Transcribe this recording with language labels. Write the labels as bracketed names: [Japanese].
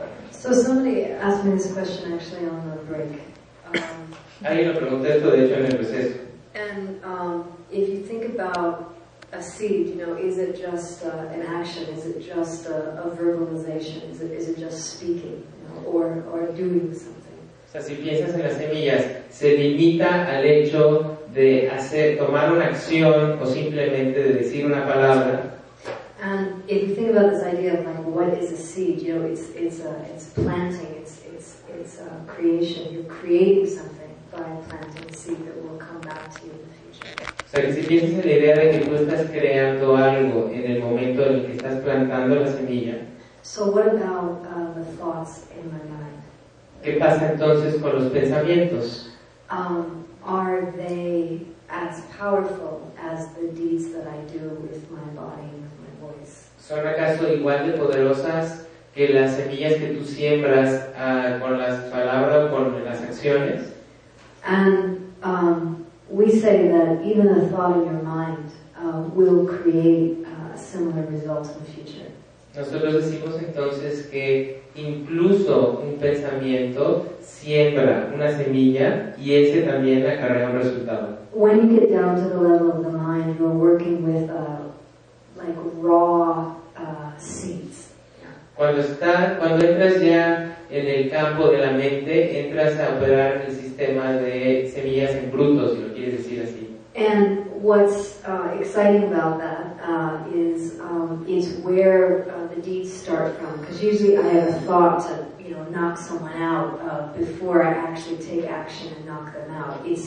[English] So somebody asked me this question actually on the break. [Spanish] Alguien lo preguntó esto, de hecho, en el proceso. [English] And if you think about a seed, you know, is it just an action? Is it just a verbalization? Is it just speaking, you know, or doing something? [Spanish] O sea, si piensas en las semillas, ¿se limita al hecho de hacer, tomar una acción o simplemente de decir una palabra? [English] And if you think about this idea of like, what is a seed? You know, it's planting, it's a creation. You're creating something by planting a seed that will come back to you. [Spanish] Pero si piensas en la idea de que tú estás creando algo en el momento en el que estás plantando la semilla, [English] So what about the thoughts in my mind? [Spanish] ¿Qué pasa entonces con los pensamientos? [English] Are they as powerful as the deeds that I do with my body and with my voice? [Spanish] ¿Son acaso igual de poderosas que las semillas que tú siembras con las palabras, con las acciones? [English] And we say that even a thought in your mind will create a similar result in the future. [Spanish] Nosotros decimos entonces que incluso un pensamiento siembra una semilla y ese también acarrea un resultado. [English] When you get down to the level of the mind, you're working with like raw seeds. [Spanish] Cuando entras ya en el campo de la mente, entras a operar el sistema de semillas en bruto, si lo quieres decir así. [English] And what's exciting about that is where the deeds start from. Because usually I have a thought to, you know, knock someone out before I actually take action and knock them out.